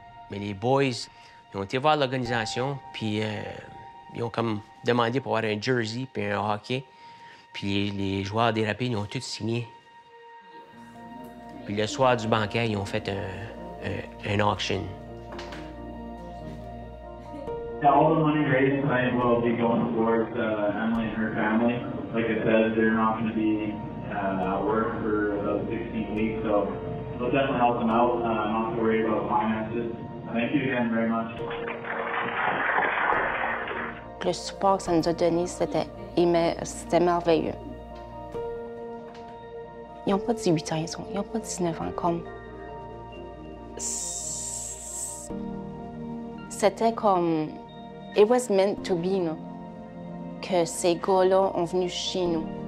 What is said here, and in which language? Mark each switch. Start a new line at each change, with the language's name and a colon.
French: Mais les boys, ils ont été voir l'organisation, puis ils ont comme demandé pour avoir un jersey puis un hockey. Puis les joueurs des Rapides, ils ont tous signé. Puis le soir du banquet, ils ont fait un auction.
English: All the money raised tonight will be going towards Emily and her family. Like I said, they're not going to be at work for about 16 weeks, so it'll definitely help them out, not to worry about finances. Thank you again very much.
French: Le support que ça nous a donné, c'était merveilleux. Ils n'ont pas 18 ans, ils n'ont pas 19 ans. Comme... C'était comme...
English: It was meant to be,
French: non? Que ces gars-là sont venus chez nous.